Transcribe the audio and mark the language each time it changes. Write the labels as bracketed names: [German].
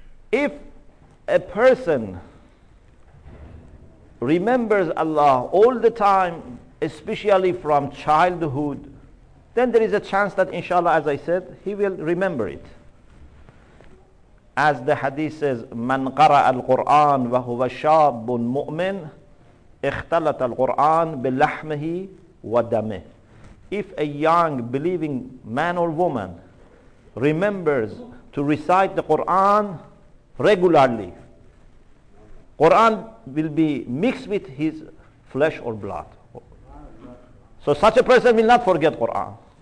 [English] If a person remembers Allah all the time, especially from childhood, then there is a chance that inshallah, as I said, he will remember it. As the hadith says, [Arabic] مَنْ قَرَأَ الْقُرْآنَ وَهُوَ شَابٌ مُؤْمِنٌ اخْتَلَتَ الْقُرْآنَ بِلَحْمِهِ وَدَمِهِ. [English] If a young believing man or woman remembers to recite the Quran regularly, Quran will be mixed with his flesh or blood. So such a person will not forget Quran.